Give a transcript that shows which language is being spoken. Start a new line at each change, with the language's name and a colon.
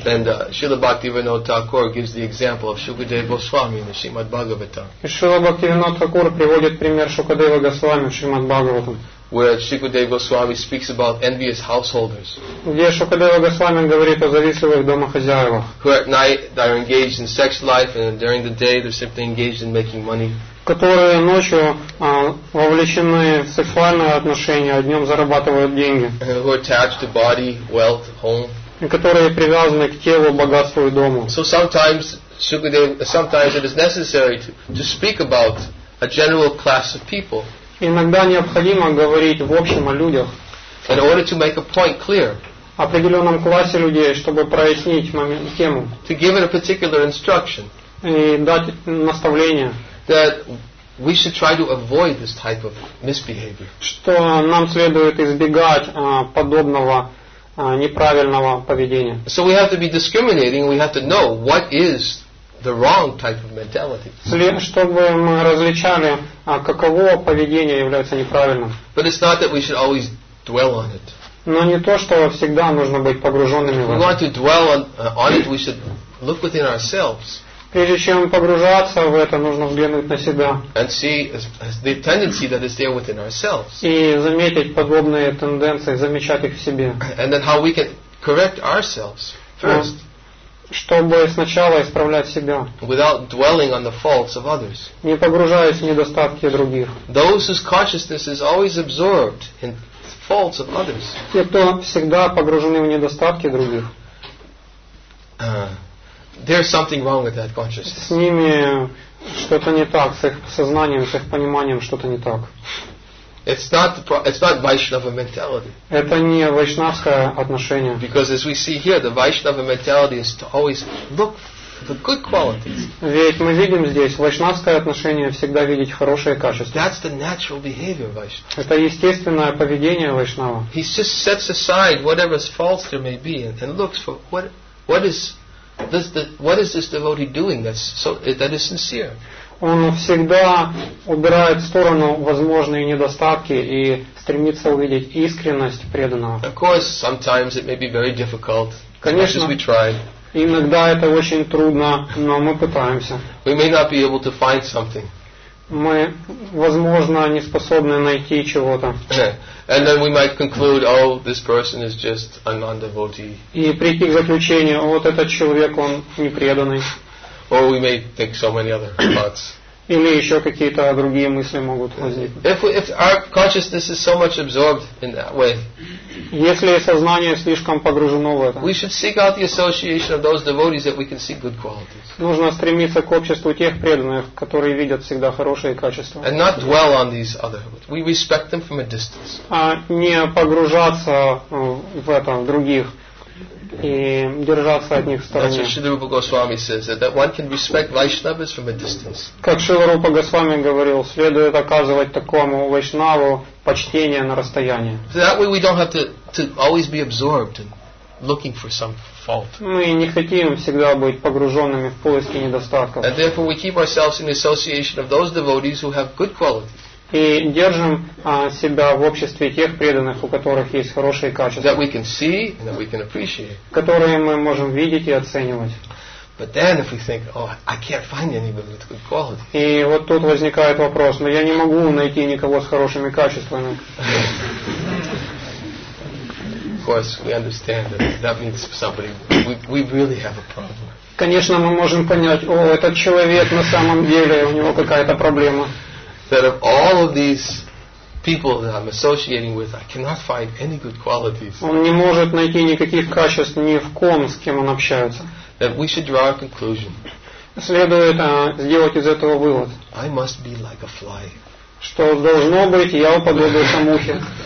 English: And Śrīla Bhaktivinoda Thakura gives the example of Śukadeva Goswami in the Śrīmad Bhāgavatam.
Russian: Śrīla Bhaktivinoda Thakura приводит пример Шукадева Госвами в Śrīmad Bhāgavatam.
English: Where Śukadeva Goswami speaks about envious householders.
Russian: Где Шукадева Госвами говорит о завистливых домохозяевах.
English: Who at night they are engaged in sex life and during the day they're simply engaged in making money.
Russian: Которые ночью вовлечены в сексуальные отношения, а днем зарабатывают деньги.
English: Who are attached to body, wealth, home.
Russian: И которые привязаны к телу, богатству и дому.
English: So sometimes it is necessary to speak about a general class of people.
Russian: Иногда необходимо говорить в общем о людях.
English: In order to make a point clear.
Russian: О определенном классе людей, чтобы прояснить момент, тему.
English: To give it a particular instruction.
Russian: И дать наставление.
English: That we should try to avoid this type of misbehavior.
Russian: Что нам следует избегать подобного неправильного поведения.
English: So we have to be discriminating. We have to know what is the wrong type of mentality.
Russian: Чтобы мы различали, каково поведение является неправильным.
English: But it's not that we should always dwell on it.
Russian: Но не то, что всегда нужно быть погруженными в это.
English: If we want to dwell on it, we should look within ourselves.
Russian: Прежде чем погружаться в это, нужно взглянуть на себя.
English: And see the tendency that is there within ourselves.
Russian: И заметить подобные тенденции, замечать их в себе.
English: And then how we can correct ourselves first.
Russian: Чтобы сначала исправлять себя.
English: Without dwelling on the faults of others.
Russian: Не погружаясь в недостатки других.
English: Those whose consciousness is always absorbed in faults of others.
Russian: Те, кто всегда погружены в недостатки других.
English: There's something wrong with that consciousness.
Russian: С ними что-то не так, с их сознанием, с их пониманием что-то не так.
English: It's not Vaishnava mentality.
Russian: Это не вайшнавское отношение.
English: Because as we see here, the Vaishnava mentality is to always look for the good qualities.
Russian: Ведь мы видим здесь вайшнавское отношение всегда видеть хорошие качества.
English: That's the natural behavior Vaishnava.
Russian: Это естественное поведение вайшнава.
English: He just sets aside whatever faults there may be and looks for what is. What is this devotee doing that is sincere?
Russian: Он всегда убирает в сторону возможные недостатки и стремится увидеть искренность преданного.
English: Of course, sometimes it may be very difficult.
Russian: Конечно,
English: as much as we try.
Russian: Иногда это очень трудно, но мы пытаемся.
English: We may not be able to find something.
Russian: Мы, возможно, не способны найти чего-то.
English: And then we might conclude, oh, this person is just a non-devotee.
Russian: И прийти к заключению, вот этот человек, он непреданный.
English: Or we may think so many other thoughts.
Russian: Или еще какие-то другие мысли могут возникнуть.
English: If our consciousness is so much absorbed in that way,
Russian: если сознание слишком погружено в это,
English: we should seek out the association of those devotees that we can see good qualities.
Russian: Нужно стремиться к обществу тех преданных, которые видят всегда хорошие качества.
English: And not dwell on these other. We respect them from a distance.
Russian: А не погружаться в это, в других. И держаться от них в стороне.
English: That's what Śrīla Rūpa Gosvāmī says, that one can respect Vaiṣṇavas from a distance.
Russian: Как Śrīla Rūpa Gosvāmī говорил, следует оказывать такому вайшнаву почтение на расстоянии.
English: So that way we don't have to always be absorbed in looking for some fault.
Russian: Мы не хотим всегда быть погруженными в поиски недостатков.
English: And therefore we keep ourselves in the association of those devotees who have good qualities.
Russian: И держим себя в обществе тех преданных, у которых есть хорошие качества,
English: that we can see and that we can appreciate.
Russian: Которые мы можем видеть и оценивать.
English: But then if we think, oh, I can't find anybody with good qualities.
Russian: И вот тут возникает вопрос, но я не могу найти никого с хорошими качествами.
English: Of course, we understand that means somebody, we really have a problem.
Russian: Конечно, мы можем понять, о, этот человек на самом деле, у него какая-то проблема.
English: That of all of these people that I'm associating with, I cannot find any good qualities.
Russian: Он не может найти никаких качеств ни в ком, с кем он общается.
English: That we should draw a conclusion.
Russian: Следует сделать из этого вывод.
English: I must be like a fly.
Russian: Что должно быть, я уподобился мухе.